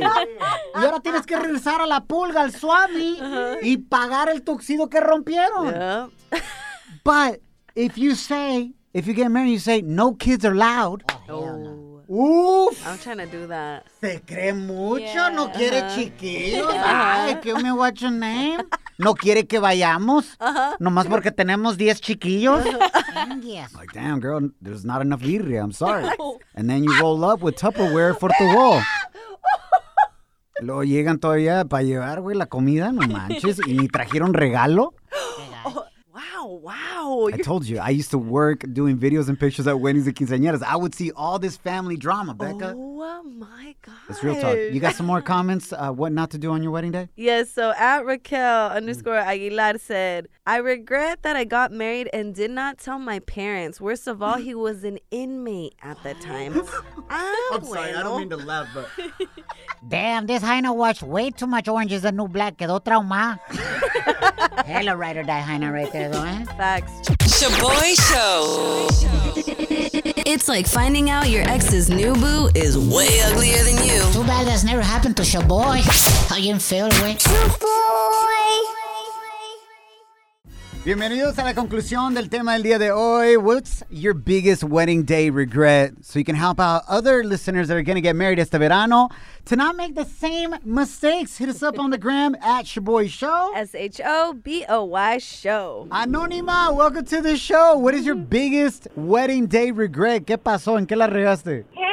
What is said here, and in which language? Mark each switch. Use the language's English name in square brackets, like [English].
[Spanish] Y ahora tienes que regresar a la pulga, al suami, uh-huh, y pagar el tuxedo que rompieron. [English] Yeah. But if you say, if you get married, you say, no kids are allowed. Oh, hell no. Oof. I'm trying to do that. [Spanish] ¿Se cree mucho? Yeah. ¿No quiere chiquillos? Yeah. [English] Ay, give me what your name. [Spanish] ¿No quiere que vayamos? Uh-huh. ¿Nomás porque tenemos 10 chiquillos? [English] Yes. Like, damn, girl, there's not enough birria. I'm sorry. And then you roll up with Tupperware for the wall. [Spanish] Luego llegan todavía para llevar, güey, la comida. No manches. Y ni trajeron regalo. [English] Oh, wow. Wow. I told you, I used to work doing videos and pictures at weddings and quinceañeras. I would see all this family drama, Becca. Oh, my God. That's real talk. You got some more comments, what not to do on your wedding day? Yes, so at @Raquel_Aguilar said, I regret that I got married and did not tell my parents. Worst of all, he was an inmate at the time. I'm sorry, I don't mean to laugh, but... Damn, this hyena watched way too much Orange is the New Black. [Spanish] Quedó trauma. [English] Hella ride or die hyena right there, though, eh? Facts. Shoboy Show. It's like finding out your ex's new boo is way uglier than you. Too bad that's never happened to Shoboy. How you feel, boy? Shoboy. [Spanish] Bienvenidos a la conclusión del tema del día de hoy. [English] What's your biggest wedding day regret? So you can help out other listeners that are going to get married [Spanish] este verano [English] to not make the same mistakes. Hit us up on the gram at Shoboy Show. Shoboy Show. Anonima, welcome to the show. What is your biggest wedding day regret? [Spanish] ¿Qué pasó? ¿En qué la regaste?